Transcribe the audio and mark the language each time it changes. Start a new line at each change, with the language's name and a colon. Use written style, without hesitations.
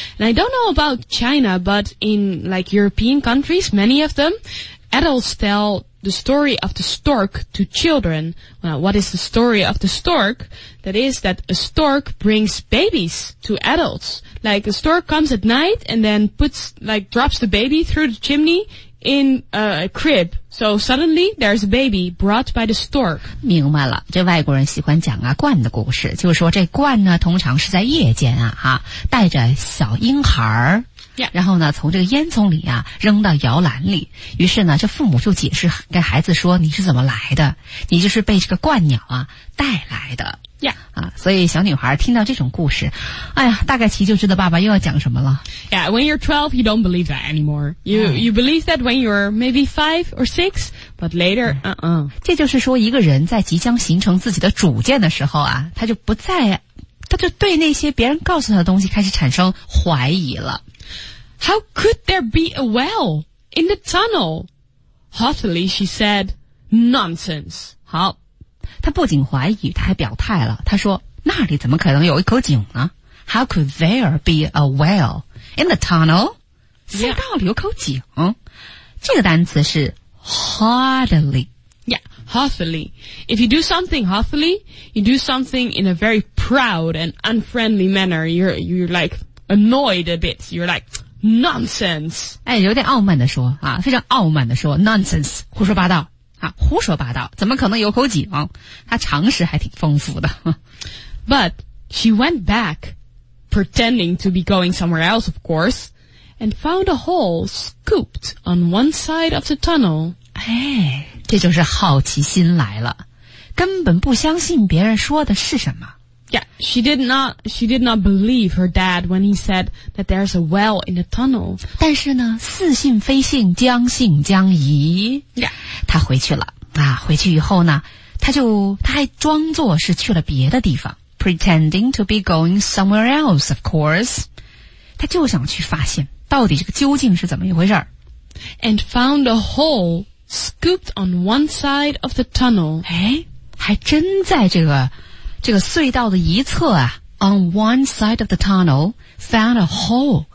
English: And I don't know about China, but in like European countries, many of them, adults tell the story of the stork to children. Well, what is the story of the stork? That is that a stork brings babies to adults. Like a stork comes at night and then drops the baby through the chimney in a crib. So suddenly, there's a baby brought by the stork.
Chinese: 明白了，这外国人喜欢讲啊鹳的故事，就是说这鹳呢，通常是在夜间啊，哈、啊，带着小婴孩、
English: yeah.
Chinese: 然后呢，从这个烟囱里啊扔到摇篮里，于是呢，这父母就解释跟孩子说，你是怎么来的？你就是被这个鹳鸟啊带来的。
English: Yeah.
Chinese: 啊，所以小女孩听到这种故事，哎呀，大概其就知道爸爸又要讲什么了。
English: Yeah, when you're 12, you don't believe that anymore. You believe that when you're maybe 5 or 6, but later,
Chinese: 这就是说一个人在即将形成自己的主见的时候啊，他就对那些别人告诉他的东西开始产生怀疑了。
English: How could there be a well in the tunnel? Haughtily, she said, nonsense.
Chinese: 好。他不仅怀疑，他还表态了。他说，那里怎么可能有一口井呢？
English: How could there be a well in the tunnel?
Chinese: 隧道里有口井。这个单词是 haughtily。
English: Haughtily. If you do something haughtily, you do something in a very proud and unfriendly manner. You're like annoyed a bit. You're like, nonsense.
Chinese: 哎，有点傲慢地说啊，非常傲慢地说 nonsense, 胡说八道啊，胡说八道，怎么可能有口井？他常识还挺丰富的。
English: But she went back, pretending to be going somewhere else, of course, and found a hole scooped on one side of the tunnel.
Chinese: 哎，这就是好奇心来了，根本不相信别人说的是什么。
English: Yeah, she did not believe her dad when he said that there's a well in the tunnel.
Chinese: 但是呢，似信非信，将信将疑。
English: Yeah,
Chinese: 他回去了啊。回去以后呢，他还装作是去了别的地方 ，
English: pretending to be going somewhere else. Of course,
Chinese: 他就想去发现到底这个究竟是怎么一回事儿。
English: And found a hole. Scooped on one side of the tunnel.
Chinese: 哎，还真在这个隧道的一侧啊。
English: On one side of the tunnel, found a hole.